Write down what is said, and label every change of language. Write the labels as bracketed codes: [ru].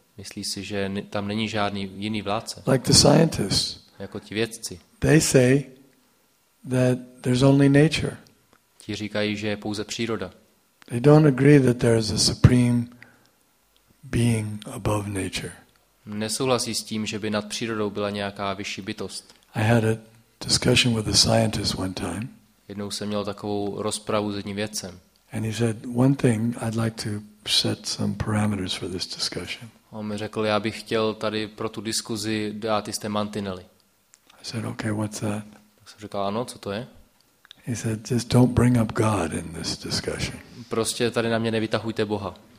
[cs] Myslí si, že tam není žádný jiný vládce. [en] Like the scientists. [cs] Jako ti vědci. [en] They say that there's only nature. [cs] Ti říkají, že je pouze příroda. [en] They don't agree that there is a supreme being above nature. [cs] Nesouhlasí s tím, že by nad přírodou byla nějaká vyšší bytost. [en] I had a discussion with a scientist one time. [cs] Jednou jsem měl takovou rozpravu s jedním vědcem. [en] And he said one thing, I'd like to set some parameters for this discussion. [cs] On mi řekl, já bych chtěl tady pro tu diskuzi dát jisté mantinely. [en] I said, okay, what's that? [cs] Tak jsem řekl, ano, co to je? [en] He said, just don't bring up God in this discussion. [cs] Prostě tady na mě nevytahujte Boha.